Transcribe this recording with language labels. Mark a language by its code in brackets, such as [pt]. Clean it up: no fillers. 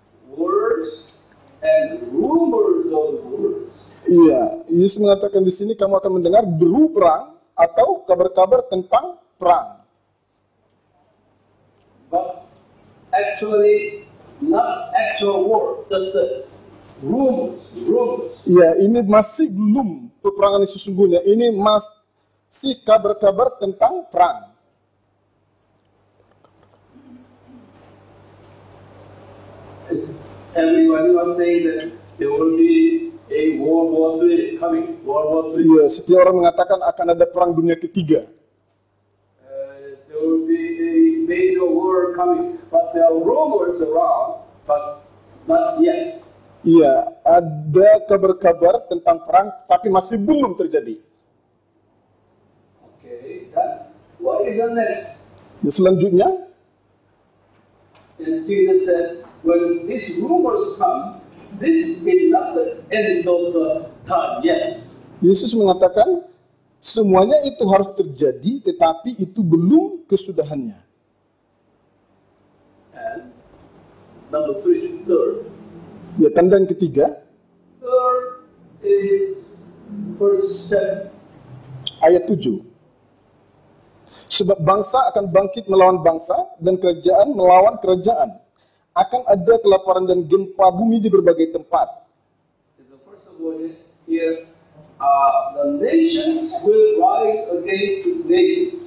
[en] Words and rumors of words. [id] Iya, Yesus mengatakan di sini kamu akan mendengar deru perang atau kabar-kabar tentang perang. [en] But actually, not actual war, just a rumors. [id] Ya, ini masih belum peperangan yang sesungguhnya. Ini masih kabar-kabar tentang perang. [en] Everybody was saying that there will be a World War III coming. World War III. [id] Ya, setiap orang mengatakan akan ada perang dunia ketiga. [en] There will be a major war coming, but there are rumors around, but not yet. [id] Iya, ada kabar-kabar tentang perang, tapi masih belum terjadi. [en] Oke, dan what is the next? [id] Ya, selanjutnya. [en] And Jesus said, when these rumors come, this is not the end of the time yet. [id] Yesus mengatakan, semuanya itu harus terjadi, tetapi itu belum kesudahannya. [en] And number three, third. [id] Ya, tanda yang ketiga. [en] Third is verse 7. [id] Ayat 7. Sebab bangsa akan bangkit melawan bangsa, dan kerajaan melawan kerajaan. Akan ada kelaparan dan gempa bumi di berbagai tempat. [en] The first of all here, the nations will rise against the nations.